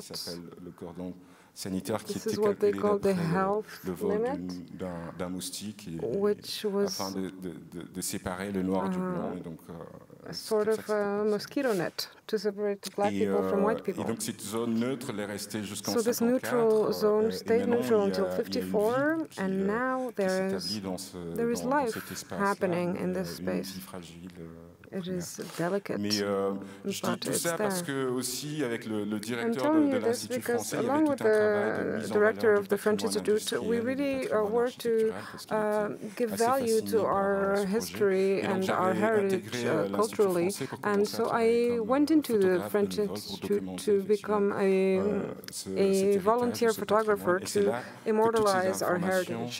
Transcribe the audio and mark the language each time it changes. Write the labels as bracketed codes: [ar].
[fr] s'appelle le cordon sanitaire qui était calculé d'après le vol d'un moustique afin de séparer le noir du blanc. Et donc, [en] sort of a mosquito net to separate black people from white people. [fr] Et donc cette zone neutre est restée jusqu'en [en] 1954, and now there is life happening in this space. It is delicate. [fr] Mais je dis tout ça parce que aussi avec le directeur de l'Institut français, il y avait tout un travail de mise en valeur du patrimoine industriel. [en] We really work to give value to our history and our heritage, culture. [fr] Et donc j'avais intégré l'Institut [en] naturally. And so I went into the French Institute to become a volunteer photographer to immortalize our heritage.